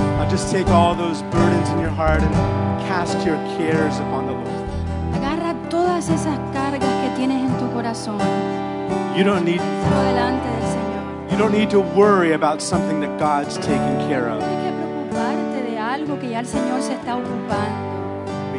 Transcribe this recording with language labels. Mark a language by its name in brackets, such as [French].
[English] Just take all those burdens in your heart and cast your cares upon the Lord. [Spanish] Agarra todas esas cargas que tienes en tu corazón. [English] You don't need to worry about something that God's taking care of. [Spanish] Tienes que preocuparte de algo que ya el Señor se está ocupando.